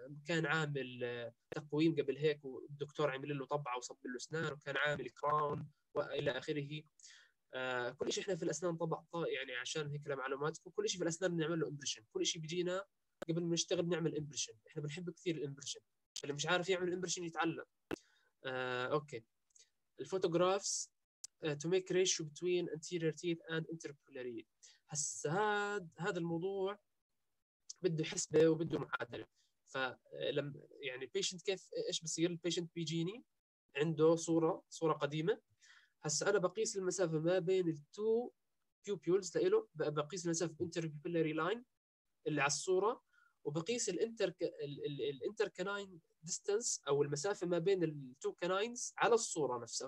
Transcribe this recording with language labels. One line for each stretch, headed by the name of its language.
Arabic: كان عامل تقويم قبل هيك، والدكتور عامل له طبعه وصب له اسنان، وكان عامل كراون والى اخره. كل شيء احنا في الاسنان طبع يعني، عشان هيك لمعلوماتكم كل شيء في الاسنان بنعمل له امبريشن. كل شيء بيجينا قبل ما نشتغل بنعمل امبريشن، احنا بنحب كثير الامبريشن. اللي مش عارف يعمل امبريشن يتعلم.
English: Okay, الفوتوغرافز to make ratio between anterior teeth and intercalary.
Arabic: هسه هذا الموضوع بده حسبة وبده معادلة. فلما يعني patient كيف إيش بصير؟ patient بيجيني عنده صورة قديمة. هسه أنا بقيس المسافة ما بين ال two pupils لإله، بقيس المسافة intercalary line اللي على الصورة، وبقيس intercanine distance أو المسافة ما بين الـ two canines على الصورة نفسها.